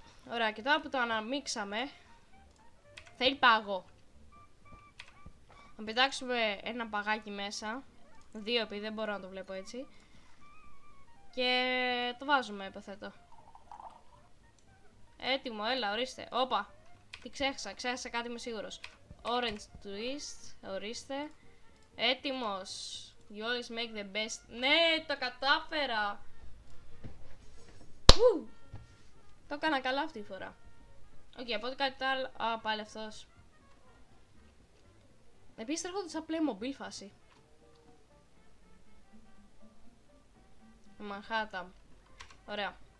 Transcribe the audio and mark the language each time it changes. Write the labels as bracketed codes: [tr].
[el] Ωραία, και τώρα που το αναμίξαμε, θέλει πάγο. Να πετάξουμε ένα παγάκι μέσα. Δύο, επειδή δεν μπορώ να το βλέπω έτσι. Και το βάζουμε, υποθέτω. Έτοιμο, έλα, ορίστε. Όπα, τι ξέχασα, ξέχασα κάτι, είμαι σίγουρος. Orange twist, ορίστε. Έτοιμος. [en] You always make the best. [el] Ναι, το κατάφερα. Το έκανα καλά αυτή τη φορά. Οκ, από ό,τι κάτι άλλο. Α, πάλι αυτός. Επίσης έρχονται σαν Playmobil φάση. Manhattan. Ωραία.